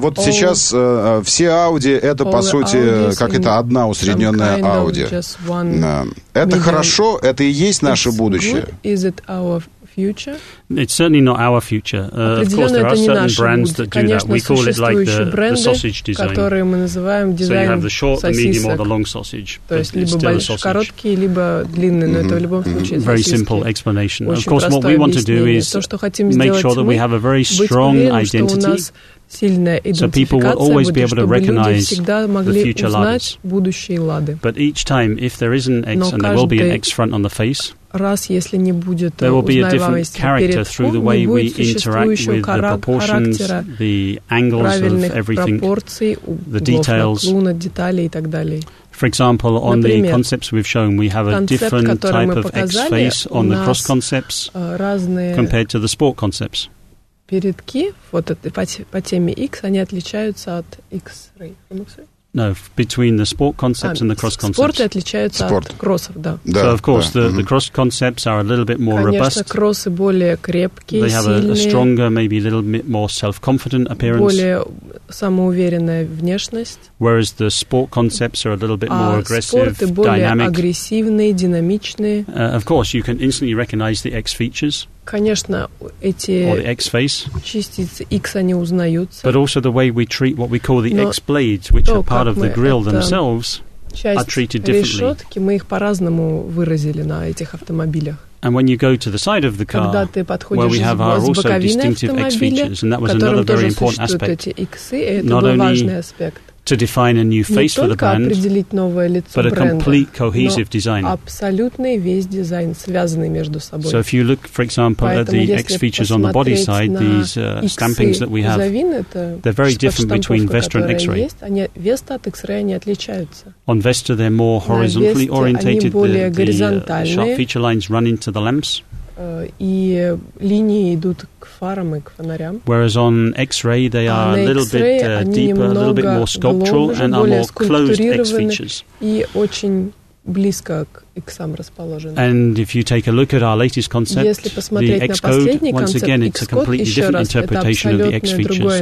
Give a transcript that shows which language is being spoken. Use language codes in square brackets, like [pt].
[ru] Вот сейчас все Audi — это, по сути, как это одна усредненная Audi. Это хорошо, это и есть наше будущее. [en] Is it our future? It's certainly not our future. Of course, there are certain brands that do that. We call it like the sausage design. So you have the short, the medium, or the long sausage. Very simple explanation. Of course, what we want to do is make sure that we have a very strong identity. So people will always be able to recognize the future Ladas. But each time, if there is an X, and there will be an X front on the face, [ru] раз, если не будет [en] there will be a different character through the way we interact with the proportions, the angles of everything, the details. For example, on the concepts we've shown, we have a different type of X face on the cross concepts compared to the sport concepts. [ru] Передки вот это, по теме X, они отличаются от X-ray. [en] No, between the sport concepts and the cross concepts. [ru] Спорты отличаются от кроссов, да. Да. [en] So, of course, the cross concepts are a little bit more [ru] Конечно, [en] robust. [ru] Конечно, кроссы более крепкие, [en] They have [ru] сильные, [en] a stronger, maybe a little bit more self-confident appearance. [ru] Более самоуверенная внешность. [en] Whereas the sport concepts are a little bit more aggressive, dynamic. [ru] Спорты более [en] dynamic. [ru] Агрессивные, динамичные. [en] Of course, you can instantly recognize the X features. [ru] Конечно, эти частицы X, они узнаются. [en] But also the way we treat what we call the X blades, which are part of the grille themselves, are treated differently. [ru] Часть решетки мы их по-разному выразили на этих автомобилях. [en] And when you go to the side of the car, where we have our also distinctive X features, and that was another very important aspect, not only to define a new face for the brand, but a complete cohesive design. So if you look, for example, at the X features on the body side, these stampings that we have, they're very different between Vesta and X-Ray. On Vesta, they're more horizontally orientated, the sharp feature lines run into the lamps. [ru] И линии идут к фарам и к фонарям. [en] Whereas on X-ray they are a little bit deeper, a little bit more sculptural, and are more closed X features. [ru] И очень близко к иксам расположены. [en] And if you take a look at our latest concept, the X-code, once again, it's a completely different interpretation of the X features.